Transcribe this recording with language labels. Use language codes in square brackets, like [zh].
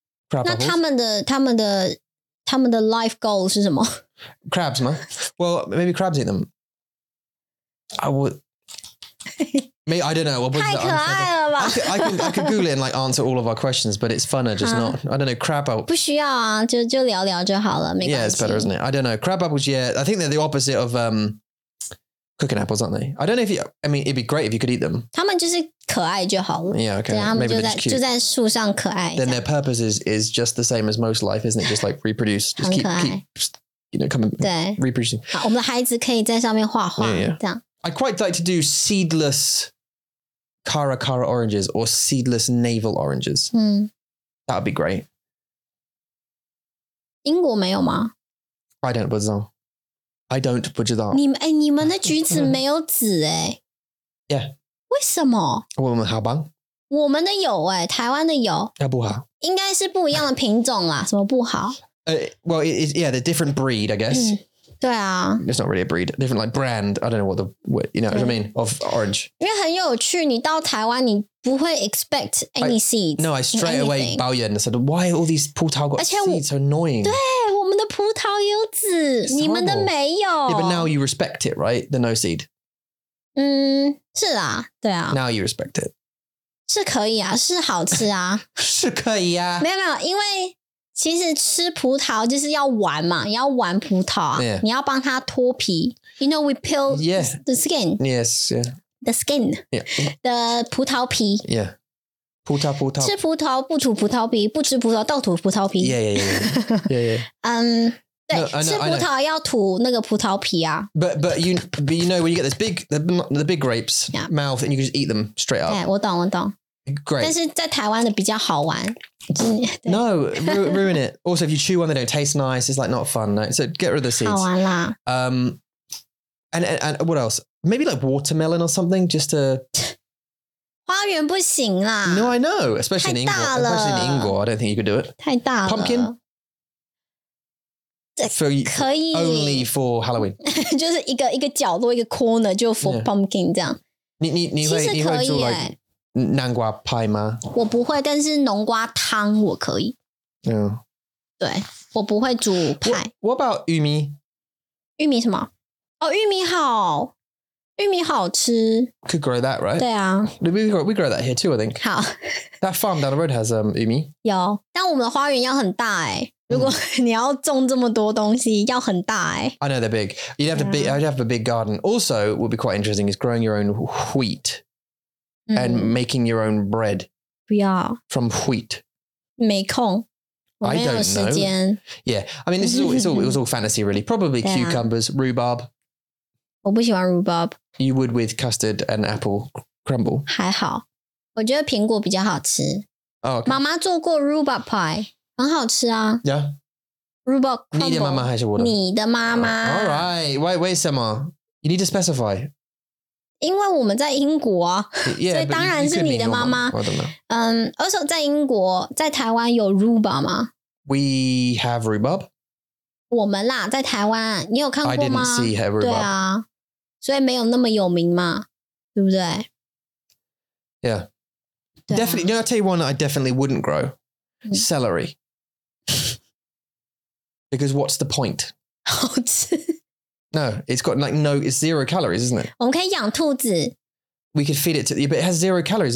[en] Crab apples [zh] 那他们的 life goal 是什么 [en] Crabs, man Well, maybe crabs eat themI would. Maybe, I don't know. What [zh] was 太可爱了吧 [en] I could Google it and like answer all of our questions, but it's funner just not. I don't know. Crab apples. [zh] 不需要啊就聊聊就好了没关系 [en] Yeah, it's better, isn't it? I don't know. Crab apples, yeah. I think they're the opposite of cooking apples, aren't they? I don't know if you. I mean, it'd be great if you could eat them. [zh] 他们就是可爱就好了 [en] Yeah, okay. [zh] 对 [en] ，maybe they're just cute. [zh] 就在树上可爱 [en] Then their purpose is just the same as most life, isn't it? Just like reproduce. Just keep you know, coming. [zh] 对 [en] Reproducing. [zh] 好我们的孩子可以在上面画画 [en] yeah, yeah. [zh] 这样 [en] I quite like to do seedless Kara Kara oranges or seedless navel oranges. That would be great. [zh] 英国没有吗 [en] I don't put it on. I don't put it on. [zh] 你们的橘子没有籽哎、欸、 [en] Yeah. [zh] 为什么我们好棒我们的有哎、欸、台湾的有。那不好。应该是不一样的品种啦什么不好、 [en] Well, yeah, the different breed, I guess.、嗯 [zh] 对啊 [en] It's not really a breed Different like brand I don't know what the what, You know what I mean Of orange [zh] 因为很有趣你到台湾你不会 [en] expect any seeds No I straight away 抱怨 I said why all these 葡萄 got seeds so annoying [zh] 对我们的葡萄有籽你们的没有 [en] Yeah but now you respect it right The no seed [zh] 是啦对啊 [en] Now you respect it [zh] 是可以啊是好吃啊是可以啊没有没有因为其实吃葡萄就是要玩嘛，要玩葡萄啊！ [en] Yeah. [zh] 你要帮它脱皮 [en] ，You know we peel the skin. Yes, yeah. The skin. Yeah. [zh] The 葡萄皮。 [en] Yeah. 葡萄。 [zh] 吃葡萄不吐葡萄皮，不吃葡萄倒吐葡萄皮。 [en] Yeah, yeah, yeah, yeah. yeah. [zh] 对， [en] no, know, [zh] 吃葡萄要吐那个葡萄皮啊。 [en] But you know when you get this big the big grapes、 yeah. mouth and you can just eat them straight up. [zh] Yeah, 我懂，我懂。 [en] Great. [zh] 但是在台湾的比较好玩。 [en] No, ruin it. Also, if you chew one, they don't taste nice. It's like not fun. Right? So get rid of the seeds. [zh] 好玩啦。 [en] And what else? Maybe like watermelon or something, just to... [zh] 花园不行啦。 [en] No, I know. Especially in England. [zh] 太大了。 [en] Especially in England, I don't think you could do it. [zh] 太大了。 [en] Pumpkin? [zh] For, 可以 [en] only for Halloween [zh] 就是一个一个角落一个 corner 就 for、yeah. pumpkin 这样你会其实可以做、like、南瓜派吗我不会但是浓瓜汤我可以、 [en] yeah. [zh] 对我不会煮派 [en] what about 玉米 [zh] 玉米什么哦、oh, 玉米好玉米好吃 [en] could grow that right [zh] 对啊 [en] we grow that here too I think [zh] 好 [en] that farm down the road has 玉米 [zh] 有但我们的花园要很大耶如果你要种这么多东西要很大耶 [en] I know they're big. You'd have to be, I'd have a big garden. Also, what would be quite interesting is growing your own wheat and making your own bread. [zh] 不要 [en] From wheat. [zh] 没空 [en] I don't know. Yeah, I mean, this is all, it's all, it was all fantasy really. Probably cucumbers, rhubarb. [zh] 我不喜欢 rhubarb. [en] You would with custard and apple crumble. [zh] 还好。我觉得苹果比较好吃。妈妈做过 rhubarb pie. 很好吃啊 [en] Yeah Rhubarb crumble [zh] 你的妈妈还是我的你的妈妈 [en] Alright Wait, [zh] 为什么 [en] You need to specify [zh] 因为我们在英国啊 [en] yeah, [zh] 所以当然是你的妈妈 [en] I don't know Also [zh] 在英国在台湾有 rhubarb 吗 [en] We have rhubarb [zh] 我们啦在台湾你有看过吗 [en] I didn't see her rhubarb [zh] 对啊所以没有那么有名嘛对不对 [en] Yeah Definitely you know, I'll tell you one that I definitely wouldn't growCelery. Because what's the point? [zh] 好吃。 [en] No, it's got like no, it's zero calories, isn't it? [zh] 我们可以养兔子。 [en] We could feed it to, but it has zero calories.